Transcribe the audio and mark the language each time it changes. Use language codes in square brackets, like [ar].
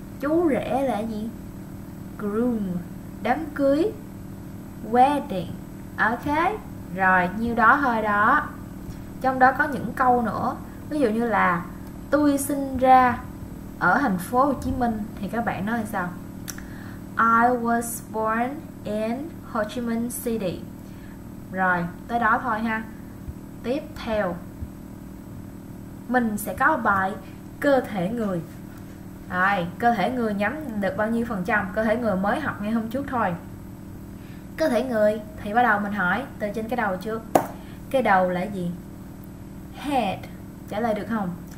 [vi] Chú rể là gì? Groom, đám cưới, wedding. Ok, rồi nhiêu đó thôi đó. Trong đó có những câu nữa, ví dụ như là tôi sinh ra ở thành phố Hồ Chí Minh thì các bạn nói là sao? [en] I was born in Ho Chi Minh City. [vi] Rồi, tới đó thôi ha. Tiếp theo mình sẽ có bài cơ thể người. Rồi, cơ thể người nhắm được bao nhiêu phần trăm? Cơ thể người mới học ngay hôm trước thôi. Cơ thể người thì bắt đầu mình hỏi từ trên cái đầu trước. Cái đầu là gì? Head. Trả lời được không?